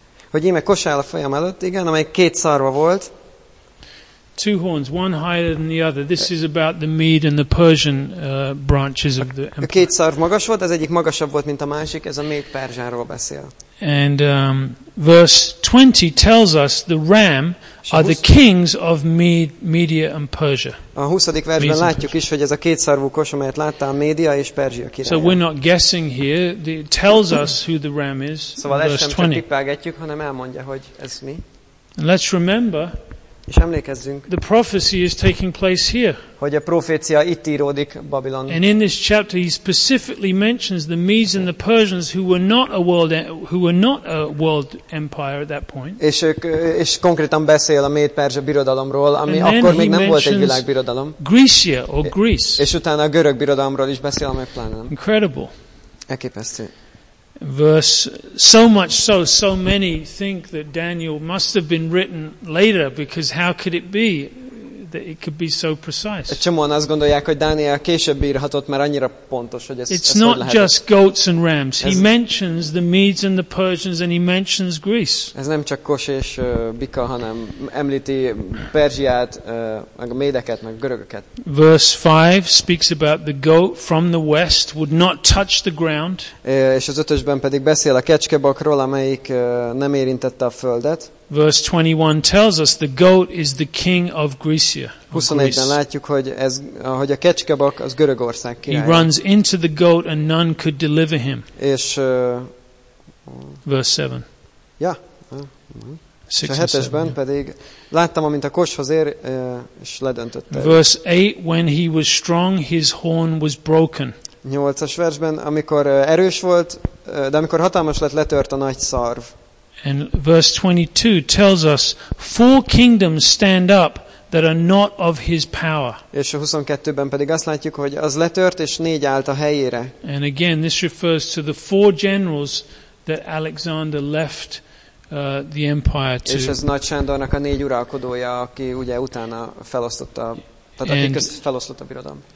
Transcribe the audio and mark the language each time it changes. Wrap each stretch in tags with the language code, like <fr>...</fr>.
<hu>Hogy íme kos áll a fejem előtt, igen, amely két szarva volt.</hu> <en>Two horns, one higher than the other. This is about the Mede and the Persian branches of the empire.</en> <hu>A két szarv magas volt, az egyik magasabb volt, mint a másik. Ez a Méd-Perzsáról beszél.</hu> <en>And verse 20 tells us the ram are the kings of Media and Persia.</en> <hu>A 20. versben látjuk is, hogy ez a két szarvú kos, amelyet láttál, Média és Perzsia királya.</hu> <en>So we're not guessing here. It tells us who the ram is.</en> <hu>Szóval</hu> <en>verse 20.</en> <hu>Csak tippelgetjük, hanem elmondja, hogy ez mi.</hu> <en>And let's remember.</en> <hu>És emlékezzünk.</hu> <en>The prophecy is taking place here.</en> <hu>Hogy a profécia itt íródik Babilonban.</hu> <en>And in this chapter he specifically mentions the Medes and the Persians who were not a world empire at that point.</en> <hu>És konkrétan beszél a Méd-Perzsa birodalomról, ami akkor még nem volt egy világbirodalom.</hu> <en>Grecia or Greece.</en> <hu>És utána a görög birodalomról is beszél, ami pláne nem.</hu> <en>Incredible.</en> <hu>Elképesztő.</hu> <en>Verse, so much so, so many think that Daniel must have been written later, because how could it be that it could be so precise?</en> <hu>Csomóan azt gondolják, hogy Dániel később írhatott, mert annyira pontos, hogy ez</hu> <en>It's not just goats and rams. He mentions the Medes and the Persians, and he mentions Greece.</en> <hu>Ez nem csak kos és bika, hanem említi Perzsiát, meg a médeket, meg a görögöket.</hu> <en>Verse 5 speaks about the goat from the west would not touch the ground.</en> <hu>És az ötösben pedig beszél a kecskebakról, amelyik nem érintette a földet.</hu> <en>Verse 21 tells us the goat is the king of Grecia.</en> <hu>21-ben látjuk, hogy ez, hogy a kecskebak az Görögország királya.</hu> <en>He runs into the goat and none could deliver him.</en> <hu>És</hu> <en>verse 7. Ja.</en> <hu>És a 7-esben pedig láttam, amint a koshoz ér, és ledöntötte.</hu> <en>Verse 8, when he was strong, his horn was broken.</en> <hu>8-as versben, amikor erős volt, de amikor hatalmas lett, letört a nagy szarv.</hu> <en>And verse 22 tells us four kingdoms stand up that are not of his power.</en> <hu>És a 22-ben pedig azt látjuk, hogy az letört és négy állt a helyére.</hu> <en>And again this refers to the four generals that Alexander left the empire to.</en> <hu>És ez Nagy Sándornak a négy uralkodója, aki ugye utána felosztotta, tehát aki közt felosztotta a birodalom.</hu>